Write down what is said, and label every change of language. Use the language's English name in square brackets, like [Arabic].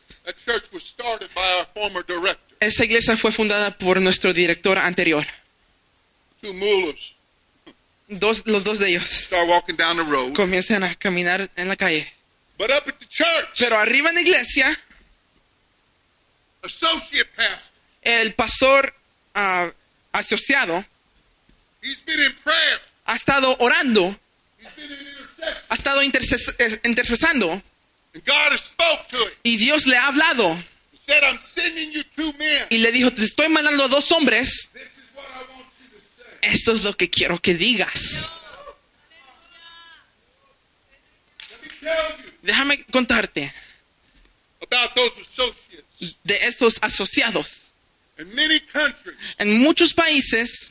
[English] A church was started by our former director. [Spanish] Esa iglesia fue fundada por nuestro director anterior. [English] Two mulas. [Spanish] Los dos de ellos. [English] Start walking down the road. [Spanish] Comienzan a caminar en la calle. [English] But up at the church. [Spanish] Pero arriba en la iglesia. [English] Associate pastor. [Spanish] El pastor asociado. [English] He's been in prayer. [Spanish] Ha estado orando. [English] He's been in intercession. [Spanish] Ha estado intercesando. [English] And God has spoke to him. [Spanish] Y Dios le ha hablado. [English] He said, I'm sending you two men. [Spanish] Y le dijo, te estoy mandando a dos hombres. [English] This is what I want you to say. [Spanish] Esto es lo que quiero que digas. Déjame contarte. [English] About those associates. [Spanish] De esos asociados. [English] In many countries, [Spanish] en muchos países,